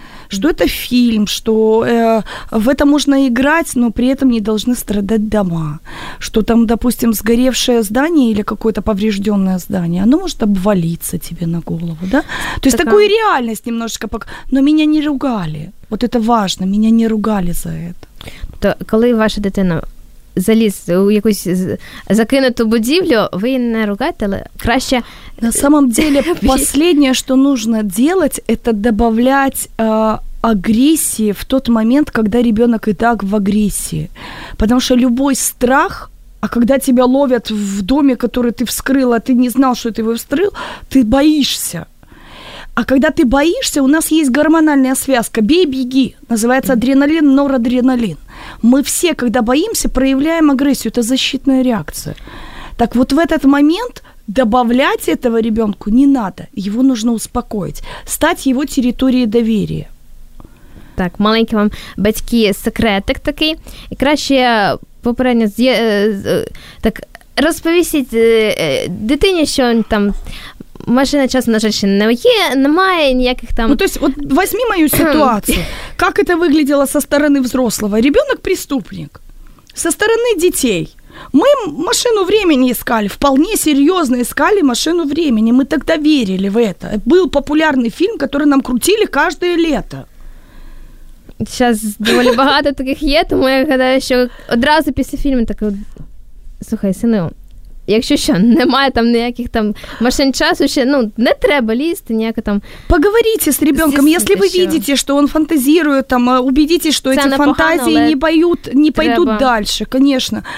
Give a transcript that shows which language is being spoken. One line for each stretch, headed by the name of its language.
Russian: Что это фильм, что в это можно играть, но при этом не должны страдать дома. Что там, допустим, сгоревшее здание или какое-то поврежденное здание, оно может обвалиться тебе на голову, да? То есть такую реальность немножечко показывает. Но меня не ругали. Вот это важно, меня не ругали за это.
Ukrainian: То, коли ваша дитина заліз у якусь закинуту будівлю, ви не ругаєте, але краще...
Russian: На самом деле, последнее, что нужно делать, это добавлять агрессии в тот момент, когда ребенок и так в агрессии. Потому что любой страх, а когда тебя ловят в доме, который ты вскрыл, а ты не знал, что ты его вскрыл, ты боишься. А когда ты боишься, у нас есть гормональная связка «бей-беги», называется адреналин, норадреналин. Мы все, когда боимся, проявляем агрессию, это защитная реакция. Так вот в этот момент добавлять этого ребенку не надо, его нужно успокоить, стать его территорией доверия.
Ukrainian: Так, маленький вам, батьки, секретик такий, и краще попередньо, так, розповісіть дитині, що он там... Машина часу, на жаль, ще не є, немає ніяких там...
Russian: Ну, то есть, вот возьми мою ситуацию. Как это выглядело со стороны взрослого? Ребенок преступник. Со стороны детей. Мы машину времени искали, вполне серьезно искали машину времени. Мы тогда верили в это. Был популярный фильм, который нам крутили каждое лето. Сейчас довольно
Ukrainian: багато таких є, тому я гадаю, що одразу після фільму так... Слухай, сину... Якщо що, немає там ніяких там машин часу, ще, ну, не треба лізти ніяко там.
Russian: Поговорите з ребенком, если вы видите, що он фантазирует, там, убедитесь, що
Ukrainian: ці фантазії
Russian: не боют, не пойдут дальше, конечно.